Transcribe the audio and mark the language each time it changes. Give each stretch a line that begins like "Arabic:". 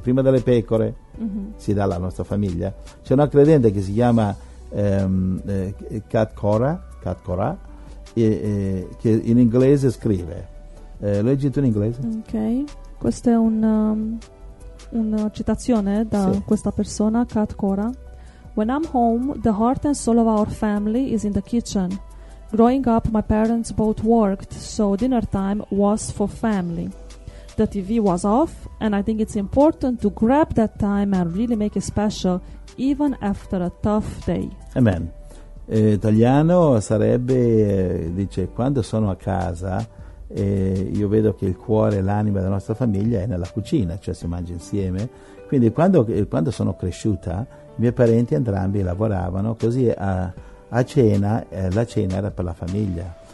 Italian: Prima delle pecore si dà alla nostra famiglia. C'è una credente che si chiama Kat Cora, che in inglese scrive. Leggi tu in inglese. Ok, questa è una citazione da questa persona, Kat Cora.
English: When I'm home, the heart and soul of our family is in the kitchen. Growing up, my parents both worked, so dinner time was for family. The TV was off, and I think it's important to grab that time and really make it special, even after a tough day. Amen.
Italian: Italiano sarebbe, dice, quando sono a casa, io vedo che il cuore e l'anima della nostra famiglia è nella cucina, cioè si mangia insieme. Quindi quando sono cresciuta, i miei parenti entrambi lavoravano, così la cena era per la famiglia.